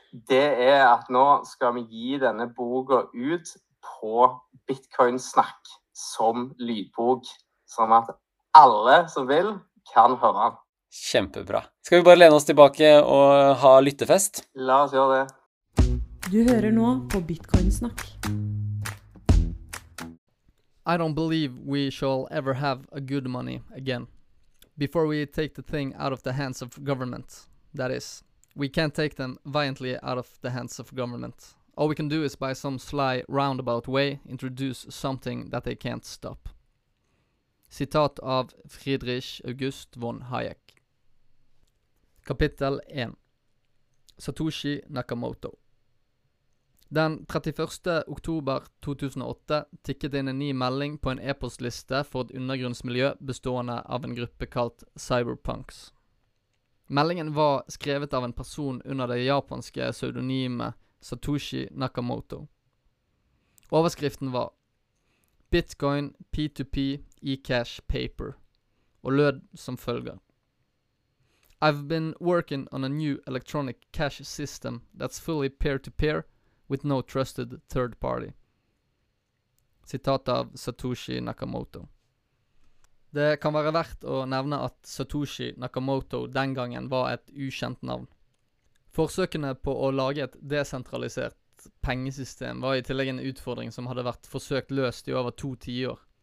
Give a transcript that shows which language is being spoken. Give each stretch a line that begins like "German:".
Norwegian: Det at nå skal vi gi denne boka ut på Bitcoin-snakk som lydbok. Sånn at alle som vil, kan høre den. Kjempebra. Skal vi bare lene oss tilbake og ha lyttefest? La oss gjøre det. Du hører nå på Bitcoin-snakk.
English: I don't believe we shall ever have a good money again. Before we take the thing out of the hands of government, that is. We can't take them violently out of the hands of government. All we can do is by some sly roundabout way introduce something that they can't stop.
Norwegian: Citat av Friedrich August von Hayek. Kapitel 1. Satoshi Nakamoto. Den 31. oktober 2008 tikket inn en ny melding på en e-postliste for et undergrunnsmiljø bestående av en gruppe kalt Cyberpunks. Meldingen var skrevet av en person under det japanske pseudonymet Satoshi Nakamoto. Overskriften var Bitcoin P2P e-cash paper, og lød som følger.
English: I've been working on a new electronic cash system that's fully peer-to-peer with no trusted third party.
Norwegian: Citat av Satoshi Nakamoto. Det kan være verdt å nevne at Satoshi Nakamoto den gangen var et ukjent navn. Forsøkene på å lage et desentralisert pengesystem var i tillegg en utfordring som hadde vært forsøkt løst i over to tiår.